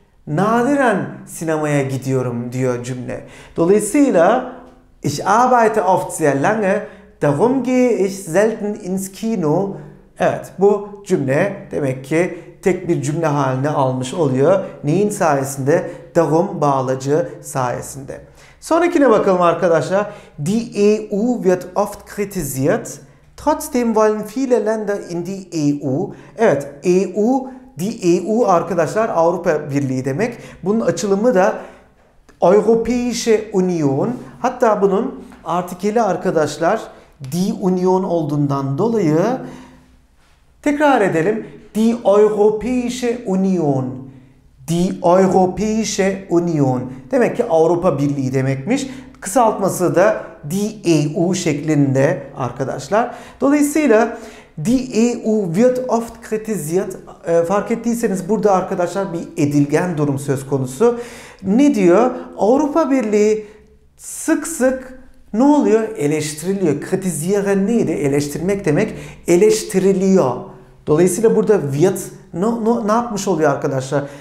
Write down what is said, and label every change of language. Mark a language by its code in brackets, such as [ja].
[tr] Nadiren sinemaya gidiyorum diyor cümle. [de] Dolayısıyla ich arbeite oft sehr lange, darum gehe ich selten ins Kino. [tr] Evet, bu cümle demek ki tek bir cümle haline almış oluyor. Neyin sayesinde? Darum bağlacı sayesinde. Sonrakine bakalım arkadaşlar. [de] Die EU wird oft kritisiert. Trotzdem wollen viele Länder in die EU. [tr] Evet, EU, die EU arkadaşlar Avrupa Birliği demek. Bunun açılımı da Europäische Union. Hatta bunun artikeli arkadaşlar die Union olduğundan dolayı tekrar edelim. [de] Die Europäische Union. Die Europäische Union. [tr] Demek ki Avrupa Birliği demekmiş. Kısaltması da die EU şeklinde arkadaşlar. [de] Dolayısıyla die EU wird oft kritisiert. [tr] Fark ettiyseniz burada arkadaşlar bir edilgen durum söz konusu. Ne diyor? Avrupa Birliği sık sık ne oluyor? Eleştiriliyor. Kritisieren neydi? Eleştirmek demek. Eleştiriliyor. Dolayısıyla burada wird ne yapmış oluyor arkadaşlar?